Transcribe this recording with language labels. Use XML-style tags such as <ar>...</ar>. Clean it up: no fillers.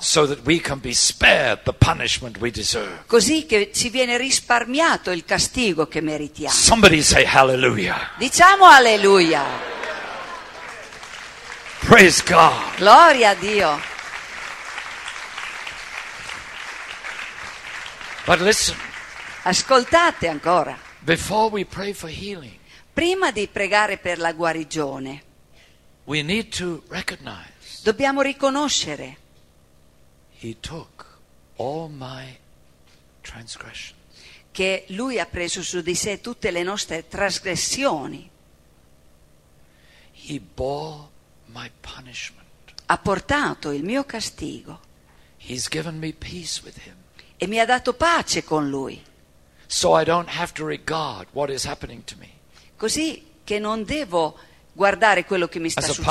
<en>So that we can be spared the punishment we deserve.</en> <it>Così che ci viene risparmiato il castigo che meritiamo.</it> <en>Somebody say hallelujah.</en> <it>Diciamo alleluia.</it> <en>Praise God.</en> <it>Gloria a Dio.</it> <en>But listen.</en> <it>Ascoltate ancora.</it> <en>Before we pray for healing,</en> <it>prima di pregare per la guarigione,</it> <en>we need to recognize,</en> <it>dobbiamo riconoscere,</it> <en>he took all my transgressions,</en> <it>che Lui ha preso su di sé tutte le nostre trasgressioni.</it> <en>He bore my punishment.</en> <it>Ha portato il mio castigo.</it> <en>He's given me peace with him.</en> <it>E mi ha dato pace con Lui.</it> <en>So I don't have to regard what is happening to me.</en> <it>Così che non devo guardare quello che mi sta succedendo.</it>